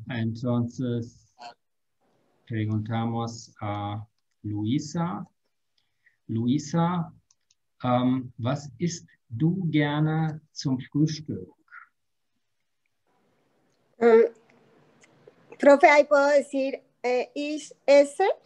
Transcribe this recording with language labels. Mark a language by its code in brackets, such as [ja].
[es] Entonces preguntamos a Luisa. [de] Luisa, was isst du gerne zum Frühstück? [es] Profe, ahí puedo decir, [de] ich esse.